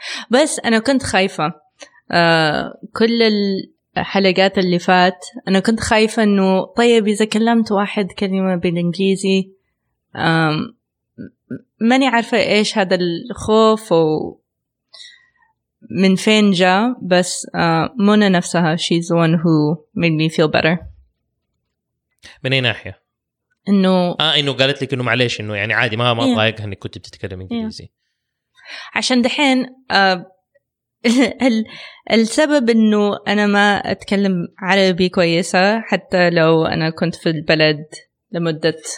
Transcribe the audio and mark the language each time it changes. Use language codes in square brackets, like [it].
[ar] بس أنا كنت خايفة كل الحلقات اللي فات أنا كنت خايفة أنه طيب إذا كلمت واحد كلمة بالإنجليزي ماني عارفة إيش هذا الخوف ومن فين جاء. بس منى نفسها [en] she's the one who made me feel better. [ar] من أي ناحية؟ أنه قالت لك أنه معليش أنه يعني عادي ما ضايق أنك كنت بتتكلم إنجليزي عشان دحين السبب انه انا ما اتكلم عربي كويسة حتى لو انا كنت في البلد لمدة